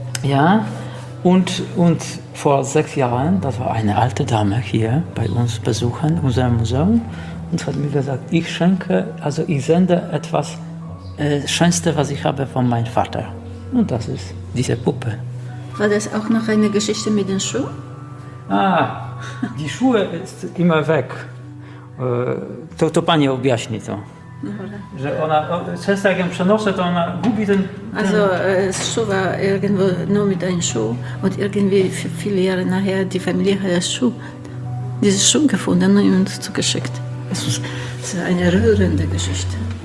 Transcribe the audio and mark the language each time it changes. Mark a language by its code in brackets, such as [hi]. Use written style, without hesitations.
[de] Ja, und vor 6 Jahren, das war eine alte Dame hier bei uns besuchen, unser Museum. Und hat mir gesagt, ich sende etwas Schönste, was ich habe von meinem Vater. Und das ist diese Puppe. War das auch noch eine Geschichte mit den Schuhen? Ah, die Schuhe ist immer weg. [pl] To pani objaśni to. Dobra. Że ona, często jak ją przenoszę, to ona gubi ten... [de] Also, schuwa irgendwo nur mit einem Schuh. Und irgendwie viele Jahre nachher, die Familie hat diesen Schuh gefunden und zugeschickt. Das ist eine rührende Geschichte.